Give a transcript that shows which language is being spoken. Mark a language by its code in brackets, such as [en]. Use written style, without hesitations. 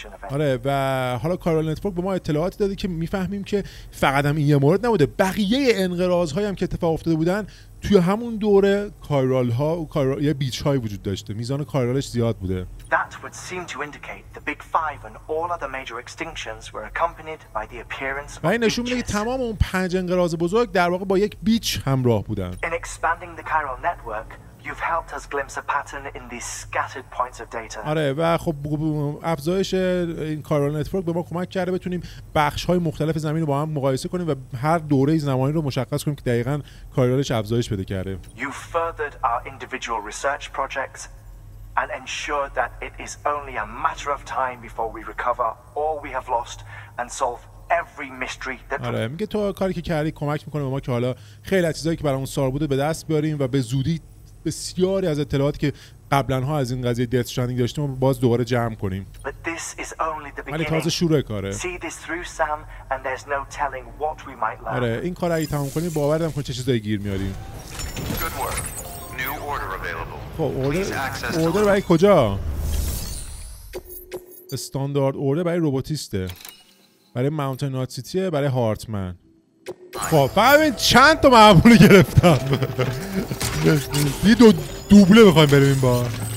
[fa] آره، و حالا کارال نتورک به ما اطلاعاتی داده که میفهمیم که فقط هم این یه مورد نبوده، بقیه انقراض‌هایی هم که اتفاق افتاده بودن توی همون دوره کایرال ها و کایرال یا بیچ های وجود داشته، میزان کایرالش زیاد بوده. [en] That would seem to indicate the big five and all other major extinctions were accompanied by the appearance of beaches. [fa] نشون میده که تمام اون پنج انقراض بزرگ در واقع با یک بیچ همراه بودن. [en] In expanding the chiral network, you've helped us glimpse a pattern in these scattered points of data. [fa] آره، و خب افزایش این کایرال نتورک به ما کمک کرده بتونیم بخش های مختلف زمین رو با هم مقایسه کنیم و هر دوره زمانی رو مشخص کنیم که دقیقاً کایرالش افزایش پیدا کرده. [en] You furthered our individual research projects and ensure that it is only a matter of time before we recover all we have lost and solve every mystery that. [fa] آره، میگه تو کاری که کردی کمک میکنه به ما که حالا خیلی چیزایی که برامون سوال بوده به دست بیاریم و به زودی بسیاری از اطلاعاتی که قبلا ها از این قضیه دث استرندینگ داشتیم رو باز دوباره جمع کنیم. [en] But this is only the beginning. [fa] تازه شروع کاره. [en] See this through some and there's no telling what we might learn. [fa] آره، این کارا رو تموم کنیم باوردم کن چه چیزایی گیر میاریم. [en] Good work. New order available. [fa] خب اوردر برای کجا؟ استاندارد اوردر برای روبوتیسته، برای ماونتن نات سیتیه، برای هارتمن. خب ببین چند تا معمول گرفتم. یه دو دوبله میخوایم بریم این بار.